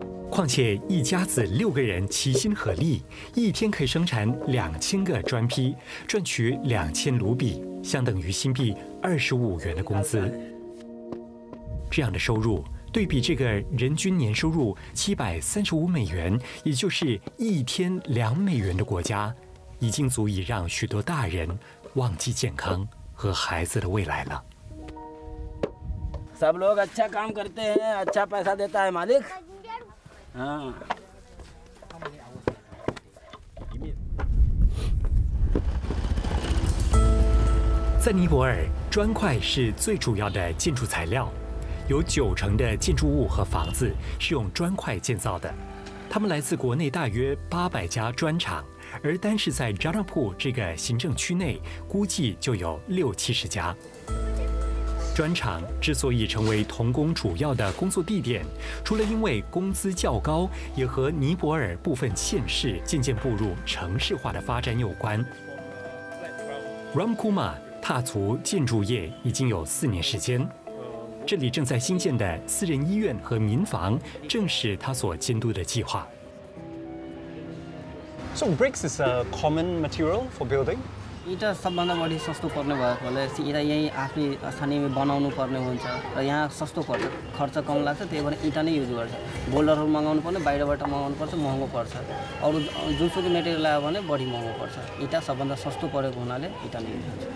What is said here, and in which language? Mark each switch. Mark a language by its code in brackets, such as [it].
[zh] 况且一家子六个人齐心合力，一天可以生产2000个砖坯，赚取2000卢比，相等于新币25元的工资。这样的收入对比这个人均年收入735美元，也就是1天2美元的国家，已经足以让许多大人忘记健康和孩子的未来了。 [hi] सब लोग अच्छा काम करते हैं, अच्छा पैसा देता है मालिक। हाँ। [zh] 在尼泊尔，砖块是最主要的建筑材料，有90%的建筑物和房子是用砖块建造的。它们来自国内大约800家砖厂，而单是在扎纳普这个行政区内，估计就有60-70家。砖厂之所以成为童工主要的工作地点，除了因为工资较高，也和尼泊尔部分县市渐渐步入城市化的发展有关。 Ramkuma 踏足建筑业已经有4年时间，这里正在新建的私人医院和民房正是他所监督的计划。 [en] So bricks is a common material for building? [ne] इटा सबभन्दा बढी सस्तो पर्ने भएको होला, इटा यही आफ्नै स्थानीयमा बनाउनु पर्ने हुन्छ र यहाँ सस्तो पर्छ, खर्च कम लाग्छ, त्यही भएर इटा नै युज गर्छ। बोल्डरहरू मगाउनु पर्ने, बाहिरबाट मगाउनु पर्छ, महँगो पर्छ। अरू जुनसुकै मेटेरियल आयो भने बढी महँगो पर्छ। इटा सबभन्दा सस्तो परेको हुनाले इटा नै युज गर्छ।